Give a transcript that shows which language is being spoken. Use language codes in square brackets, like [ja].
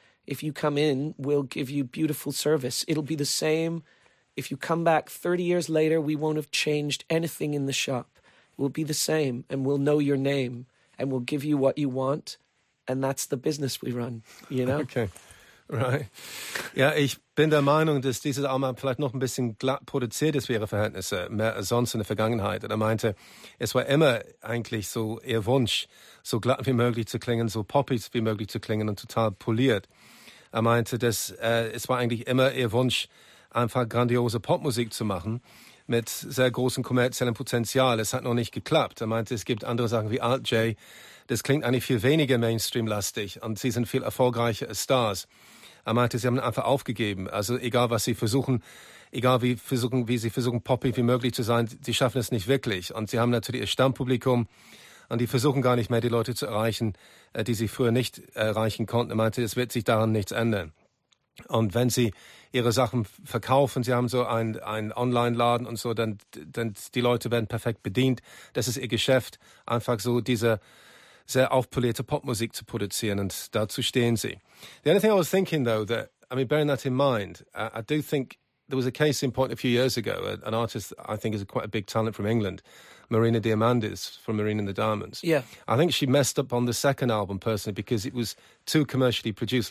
[en] If you come in, we'll give you beautiful service. It'll be the same. If you come back 30 years later, we won't have changed anything in the shop. We'll be the same, and we'll know your name, and we'll give you what you want, and that's the business we run, you know? Okay. Right. [de] Ja, ich bin der Meinung, dass dieses Album vielleicht noch ein bisschen glatt produziert ist für ihre Verhältnisse, mehr als sonst in der Vergangenheit. Und er meinte, es war immer eigentlich so ihr Wunsch, so glatt wie möglich zu klingen, so poppy wie möglich zu klingen und total poliert. Er meinte, dass es war eigentlich immer ihr Wunsch, einfach grandiose Popmusik zu machen mit sehr großem kommerziellem Potenzial. Es hat noch nicht geklappt. Er meinte, es gibt andere Sachen wie Alt-J. Das klingt eigentlich viel weniger Mainstream-lastig und sie sind viel erfolgreicher als Stars. Er meinte, sie haben einfach aufgegeben. Also egal, was sie versuchen, egal wie sie versuchen, poppy wie möglich zu sein, sie schaffen es nicht wirklich. Und sie haben natürlich ihr Stammpublikum und die versuchen gar nicht mehr, die Leute zu erreichen, die sie früher nicht erreichen konnten. Er meinte, es wird sich daran nichts ändern. Und wenn sie ihre Sachen verkaufen, sie haben so einen Online-Laden und so, dann die Leute werden perfekt bedient. Das ist ihr Geschäft, einfach so diese sehr aufpolierte Popmusik zu produzieren, und dazu stehen sie. [en] The only thing I was thinking, though, that, I mean, bearing that in mind, I do think there was a case in point a few years ago, an artist I think is quite a big talent from England, Marina Diamandis from Marina and the Diamonds. Yeah. I think she messed up on the second album, personally, because it was too commercially produced.